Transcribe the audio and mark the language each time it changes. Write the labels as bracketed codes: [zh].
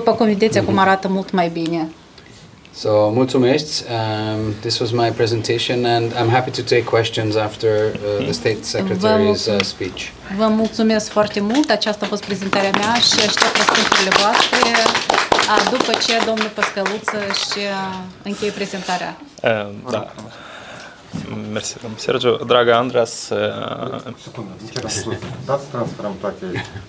[ro] După cum vedeți, acum arată mult mai bine. So, mulțumesc. [en] This was my presentation and I'm happy to take questions after the State Secretary's speech. [ro] Vă mulțumesc foarte mult. Aceasta a fost prezentarea mea și aștept răspunsurile voastre după ce domnul Pascaluță își încheie prezentarea. Da. Mersi, domnul Sergiu. Dragă Andreas... Secundă, dați transferăm toate.